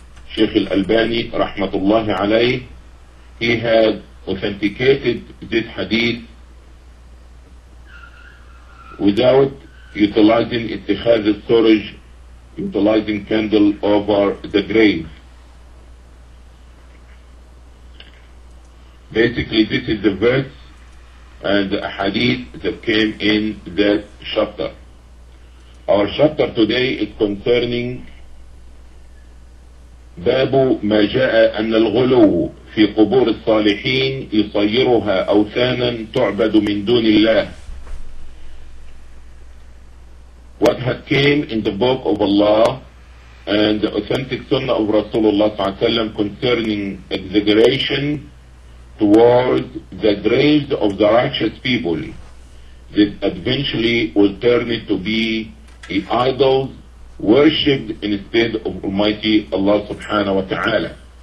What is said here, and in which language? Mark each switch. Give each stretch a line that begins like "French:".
English: Sheikh Al-Albani, rahmatullahi alayh, he had authenticated this hadith without utilizing ittikhaz al-suraj, utilizing candle over the grave. Basically, this is the verse and the hadith that came in that chapter. Our chapter today is concerning
Arabic: بَابُ مَا جَاءَ أَنَّ الْغُلُوُ فِي قُبُورِ الصَّالِحِينَ يُصَيِّرُهَا أَوْثَانًا تُعْبَدُ مِن دُونِ اللَّهِ.
English: What had came in the Book of Allah and the authentic Sunnah of Rasulullah صلى الله عليه وسلم concerning exaggeration towards the graves of the righteous people, that eventually will turn it to be an idol worshipped instead of Almighty Allah subhanahu wa ta'ala.